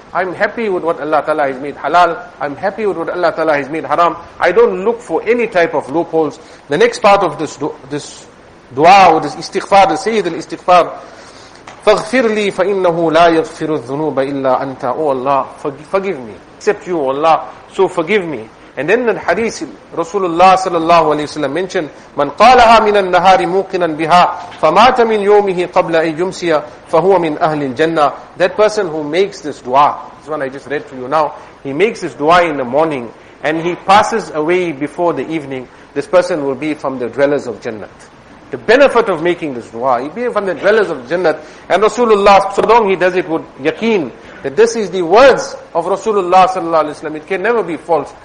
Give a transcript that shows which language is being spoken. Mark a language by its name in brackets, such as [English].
[English] I'm happy with what Allah Ta'ala has made halal. I'm happy with what Allah Ta'ala has made haram. I don't look for any type of loopholes. The next part of this dua or this istighfar, the Sayyid al-Istighfar, [Arabic] فَغْفِرْ لِي فَإِنَّهُ لَا يَغْفِرُ الذُّنُوبَ إِلَّا أَنْتَ. [English] Oh Allah, forgive me. Except you, Allah. So forgive me. And then the hadith, Rasulullah sallallahu alayhi wa sallam mentioned, [Arabic] مَنْ قَالَهَا مِنَ النَّهَارِ مُوقِنًا بِهَا فَمَاتَ مِنْ يَوْمِهِ قَبْلَ أَيْ يُمْسِيَ فَهُوَ مِنْ أَهْلِ الْجَنَّةِ. [English] That person who makes this dua, this one I just read to you now, he makes this dua in the morning, and he passes away before the evening, this person will be from the dwellers of Jannat. The benefit of making this dua, he'll be from the dwellers of Jannat. And Rasulullah, so long he does it with yaqeen, that this is the words of Rasulullah sallallahu alayhi wa sallam. It can never be false.